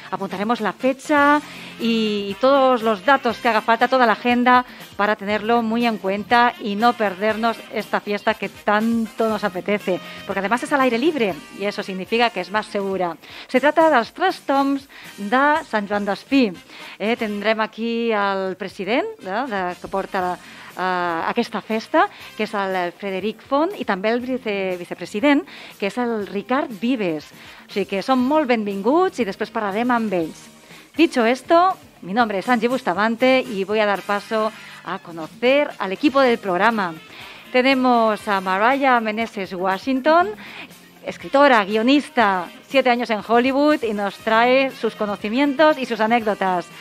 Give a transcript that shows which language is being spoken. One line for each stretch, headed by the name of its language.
Spanish: Apuntaremos la fecha y todos los datos que haga falta, toda la agenda, para tenerlo muy en cuenta y no perdernos esta fiesta que tanto nos apetece. Porque además es al aire libre y eso significa que es más segura. Se trata de las Tres Tombs de Sant Joan d'Espí. Tendremos aquí al presidente, ¿no?,
Catalan: que porta aquesta festa, que és el Frederic Font, i també el vicepresident, que és el Ricard Vives. O sigui que són molt benvinguts i després parlarem amb ells.
Spanish: Dicho esto, mi nombre es Angie Bustamante y voy a dar paso a conocer al equipo del programa. Tenemos a Mariah Meneses Washington, escritora, guionista, 7 años en Hollywood y nos trae sus conocimientos y sus anécdotas.